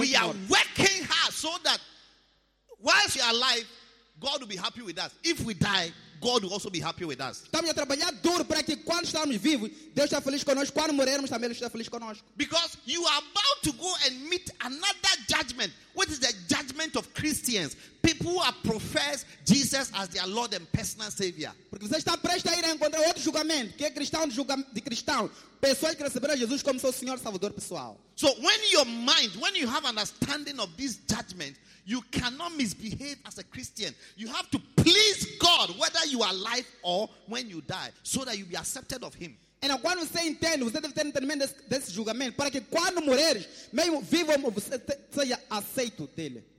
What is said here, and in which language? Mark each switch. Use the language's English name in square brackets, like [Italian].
[English] We are working hard so that whilst you are alive, God will be happy with us. If we die, God will also be happy with us. [Portuguese] Estamos a trabalhar duro para que quando estamos vivos, Deus está feliz conosco. Quando morrermos, também Deus está feliz conosco. [English] Because you are about to go and meet another judgment, which is the judgment of Christians, people who have professed Jesus as their Lord and personal Savior. [Portuguese] Porque você está prestes a ir a encontrar outro julgamento, que é cristão de cristão. Pessoas que receberam Jesus como seu Senhor Salvador pessoal. [English] So when your mind, when you have understanding of this judgment, you cannot misbehave as a Christian. You have to please God whether you are alive or when you die, so that you be accepted of him. [Portuguese] And quando você entende, você deve ter entendimento desse julgamento, para que quando morreres, mesmo vivo, você seja aceito dele.